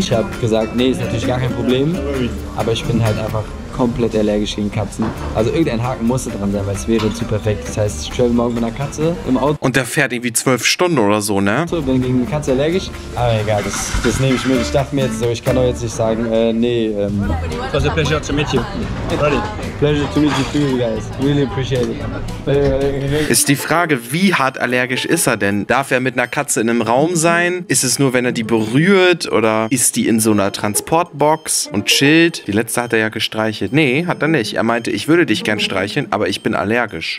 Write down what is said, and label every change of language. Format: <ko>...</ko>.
<de>Ich habe gesagt, nee, ist natürlich gar kein Problem, aber ich bin halt einfach komplett allergisch gegen Katzen. Also irgendein Haken musste dran sein, weil es wäre zu perfekt. Das heißt, ich travel morgen mit einer Katze im Auto. Und der fährt irgendwie 12 Stunden oder so, ne? So, bin gegen eine Katze allergisch. Aber egal, das nehme ich mit. Ich dachte mir jetzt so, ich kann doch jetzt nicht sagen, nee.</de> <en>It was a pleasure to meet you. Ready. pleasure to meet you too, guys. Really appreciate it.</en> <de>Ist die Frage, wie hart allergisch ist er denn? Darf er mit einer Katze in einem Raum sein? Ist es nur, wenn er die berührt? Oder ist die in so einer Transportbox und chillt? Die letzte hat er ja gestreichelt. Nee, hat er nicht. Er meinte, ich würde dich gern streicheln, aber ich bin allergisch.</de>